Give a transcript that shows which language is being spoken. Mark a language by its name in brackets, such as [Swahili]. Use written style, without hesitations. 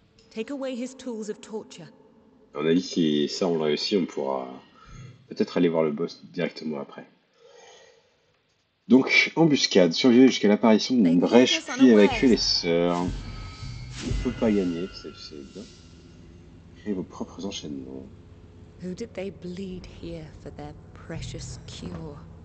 [English] Take away his tools of torture. [French] On a dit que si ça on l'a réussi, on pourra peut-être aller voir le boss directement après. Donc, embuscade, survivre jusqu'à l'apparition d'une brèche, puis évacuer les sœurs. On ne peut pas gagner, c'est bien. Créez vos propres enchaînements. [English] Who did they bleed here for their precious cure?